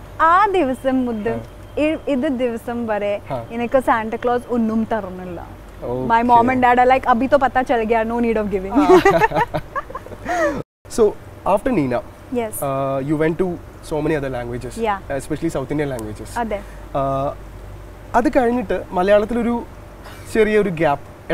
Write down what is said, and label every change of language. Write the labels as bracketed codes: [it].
[ml] ആ ദിവസം മുതൽ ഇത് ദിവസം വരെ എനിക്ക് സാന്റ ക്ലോസ് ഒന്നും തരുന്നില്ല. [en] My mom and dad are like, [hi] abhi to pata chal gaya, [en] no need of giving. So, after Nina, yes. You went to so many other languages. Yeah. Especially South Indian languages. [ml] അതെ. അത് കഴിഞ്ഞിട്ട് മലയാളത്തിൽ ഒരു ചെറിയൊരു gap